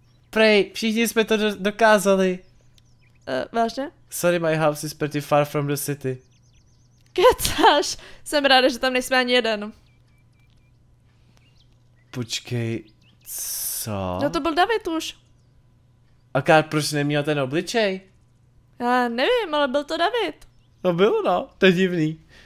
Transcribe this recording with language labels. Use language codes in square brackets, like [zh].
[cs] Prej, všichni jsme to dokázali. Vážně? [en] Sorry, my house is pretty far from the city. [cs] Kecáš! Jsem ráda, že tam nejsme ani jeden. Počkej, co? No to byl David už. A Kár, proč neměl ten obličej? Já nevím, ale byl to David. No bylo no, to je divný.